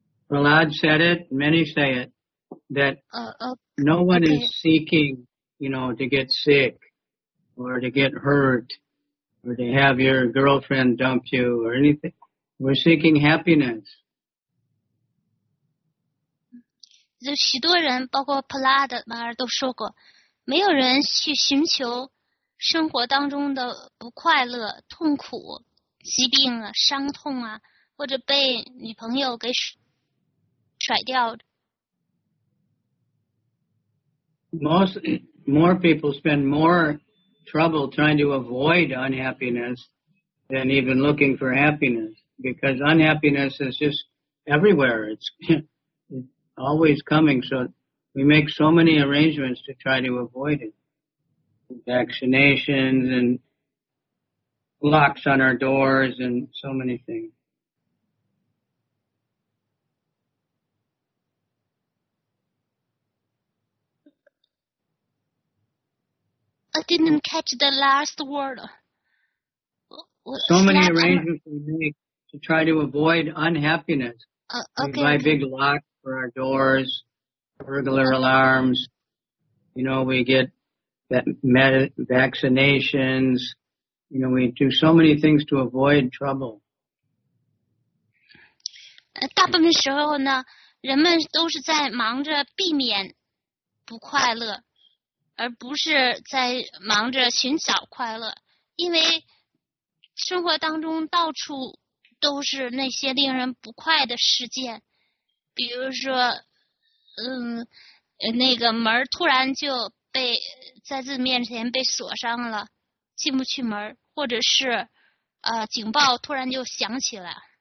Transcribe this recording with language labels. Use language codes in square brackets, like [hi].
[en] Prahlad said it, many say it. That no one is seeking, you know, to get sick or to get hurt or to have your girlfriend dump you or anything. We're seeking happiness. [zh] 就许多人，包括普拉德马尔都说过，没有人去寻求生活当中的不快乐、痛苦、疾病啊、伤痛啊，或者被女朋友给甩掉。 [en] More people spend more trouble trying to avoid unhappiness than even looking for happiness, because unhappiness is just everywhere. It's always coming, so we make so many arrangements to try to avoid it. Vaccinations and locks on our doors and so many things. I didn't catch the last word. So many arrangements we make to try to avoid unhappiness. We buy big locks for our doors, burglar alarms. You know, we get vaccinations. You know, we do so many things to avoid trouble. [zh] 大部分时候呢，人们都是在忙着避免不快乐。而不是在忙着寻找快乐，因为生活当中到处都是那些令人不快的事件，比如说，那个门突然就被在自己面前被锁上了，进不去门，或者是，警报突然就响起来。